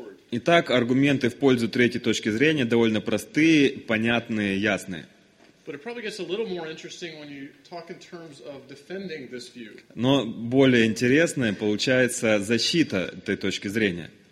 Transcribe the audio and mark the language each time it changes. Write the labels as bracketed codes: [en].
[ru] Итак, аргументы в пользу третьей точки зрения довольно простые, понятные, ясные. [en] But it probably gets a little more interesting when you talk in terms of defending this view. [ru] Но более интересная получается защита этой точки зрения.